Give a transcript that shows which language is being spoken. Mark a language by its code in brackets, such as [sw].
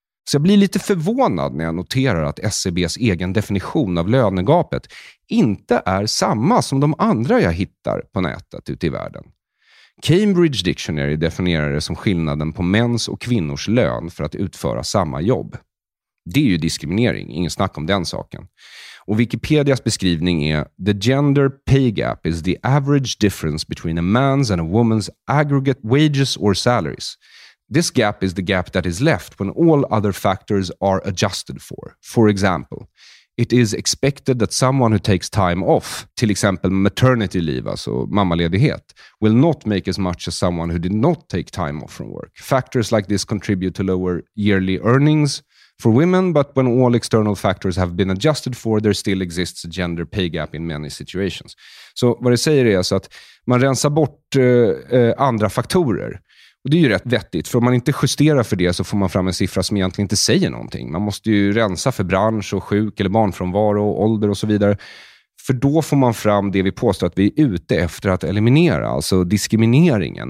[sv] Så jag blir lite förvånad när jag noterar att SCBs egen definition av lönegapet inte är samma som de andra jag hittar på nätet ute i världen. Cambridge Dictionary definierar det som skillnaden på mäns och kvinnors lön för att utföra samma jobb. Det är ju diskriminering, ingen snack om den saken. Och Wikipedias beskrivning är: [en] "The gender pay gap is the average difference between a man's and a woman's aggregate wages or salaries. This gap is the gap that is left when all other factors are adjusted for. For example, it is expected that someone who takes time off, [sv] till exempel [en] maternity leave, [sv] alltså mammaledighet, [en] will not make as much as someone who did not take time off from work. Factors like this contribute to lower yearly earnings for women, but when all external factors have been adjusted for, there still exists a gender pay gap in many situations." [sv] Så vad det säger är alltså att man rensar bort andra faktorer. Och det är ju rätt vettigt, för om man inte justerar för det så får man fram en siffra som egentligen inte säger någonting. Man måste ju rensa för bransch och sjuk eller barnfrånvaro och ålder och så vidare. För då får man fram det vi påstår att vi är ute efter att eliminera, alltså diskrimineringen.